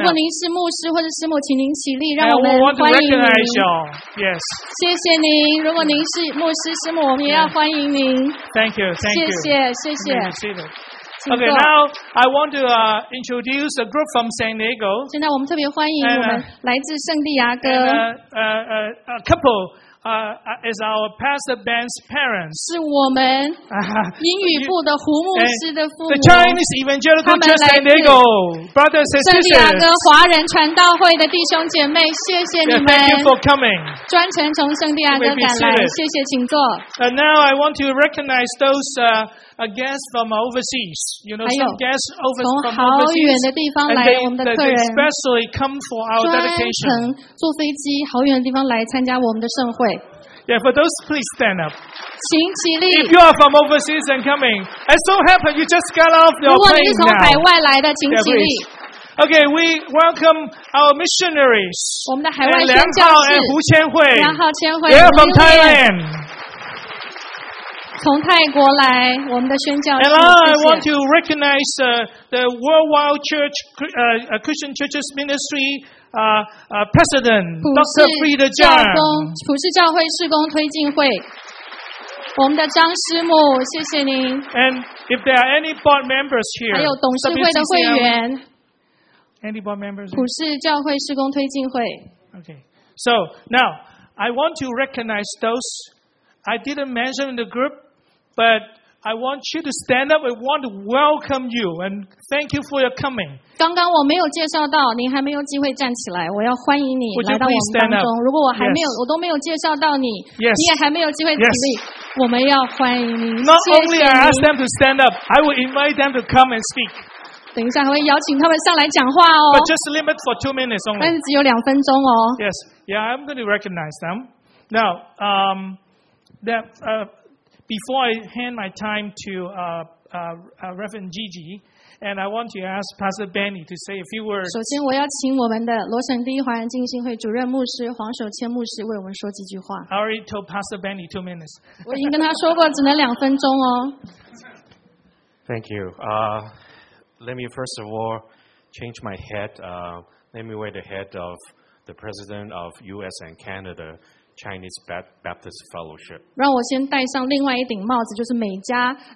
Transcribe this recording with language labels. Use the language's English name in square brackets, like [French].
[Chinese] 如果您是牧师或者师母，请您起立，让我们欢迎您。 [English] I want to recognize you. Yes. [Chinese] 谢谢您。如果您是牧师、师母，我们也要欢迎您。 [English] Thank you. Thank you. [Chinese] 谢谢，谢谢。 [English] Okay, now I want to introduce a group from San Diego. [Chinese] 现在我们特别欢迎我们来自圣地亚哥。 [English] A couple. Is our Pastor Ben's parents. [Chinese] 是我们英语部的胡牧师的父母。 [English] The Chinese Evangelical Church San Diego, brothers and sisters. [Chinese] 圣地亚哥华人传道会的弟兄姐妹，谢谢你们。 [English] Yeah, thank you for coming. [Chinese] 专程从圣地亚哥赶来，谢谢，请坐。 [English] And now I want to recognize those guests from overseas. You know, some guests over from overseas. [Chinese] 从好远的地方来我们的客人。 [English] They especially come for our dedication. [Chinese] 专程坐飞机好远的地方来参加我们的圣会。 [English] Yeah, for those, please stand up. [Chinese] 请起立。 [English] If you are from overseas and coming, and so happen you just got off your plane now. [Chinese] 如果你是从海外来的，请起立。 [English] Okay, we welcome our missionaries. [Chinese] 我们的海外宣教士。梁浩和胡千惠。梁浩千惠。 [English] They're from Thailand. [Chinese] 从泰国来，我们的宣教士。 [English] And now I want to recognize the Worldwide Church, Christian Churches Ministry. President Dr. Frieda Zhang, [Chinese] 普世教会事工推进会，我们的张师母，谢谢您。 [English] And if there are any board members here, [Chinese] 还有董事会的会员 [English] ，any board members, [Chinese] 普世教会事工推进会。 [English] Okay, so now I want to recognize those I didn't mention in the group, but. I want you to stand up. I want to welcome you and thank you for your coming. [Chinese] 刚刚我没有介绍到，您还没有机会站起来，我要欢迎你来到我们当中。如果我还没有，我都没有介绍到你，你也还没有机会起立，我们要欢迎你。 [English] Not only I ask them to stand up, I will invite them to come and speak. [Chinese] 等一下还会邀请他们上来讲话哦。 [English] But just limit for 2 minutes only. [Chinese] 但是只有两分钟哦。 [English] Yes, yeah, I'm going to recognize them. Now, Before I hand my time to Reverend Gigi, and I want to ask Pastor Benny to say a few words. [Chinese] 首先，我要请我们的罗省第一华人浸信会主任牧师黄守谦牧师为我们说几句话。 [English] I already told Pastor Benny 2 minutes. [Chinese] 我已经跟他说过，只能两分钟哦。 [English] Thank you. Let me first of all change my hat. Let me wear the hat of the President of U.S. and Canada. Chinese Baptist Fellowship. [Chinese] 让我先戴上另外一顶帽子，就是美加